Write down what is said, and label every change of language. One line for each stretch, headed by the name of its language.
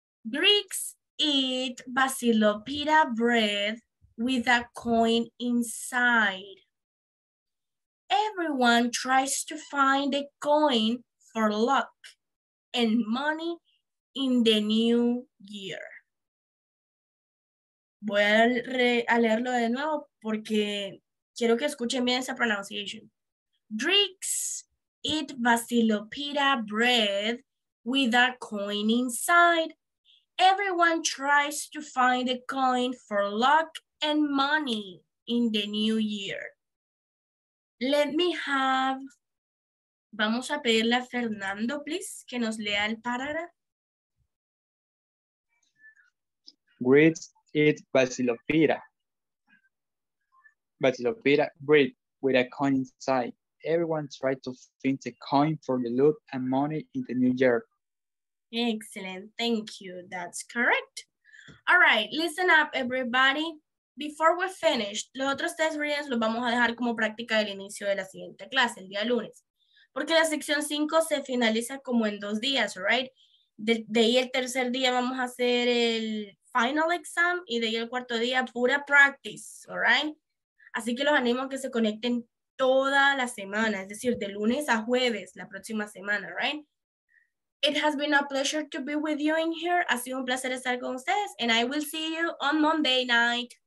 English: Greeks eat vasilopita bread with a coin inside. Everyone tries to find a coin for luck and money in the new year.
Spanish: Voy a leerlo de nuevo porque quiero que escuchen bien esa pronunciation.
English: Greeks eat vasilopita bread with a coin inside. Everyone tries to find a coin for luck and money in the new year. Let me have...
Spanish: Vamos a pedirle a Fernando, please, que nos lea el parágrafo.
English: Greeks eat vasilopita. Vasilopita bread with a coin inside. Everyone tried to find a coin for the loot and money in the new year. Excellent. Thank you. That's correct. All right. Listen up, everybody. before we finish,
Spanish: los otros test readings los vamos a dejar como práctica del inicio de la siguiente clase, el día lunes. Porque la sección 5 se finaliza como en dos días, right? De ahí el tercer día vamos a hacer el final exam y de ahí el cuarto día pura practice, all right? Así que los animo a que se conecten toda la semana, es decir, de lunes a jueves la próxima semana, right?
English: It has been a pleasure to be with you in here.
Spanish: Ha sido un placer estar con ustedes.
English: And I will see you on Monday night.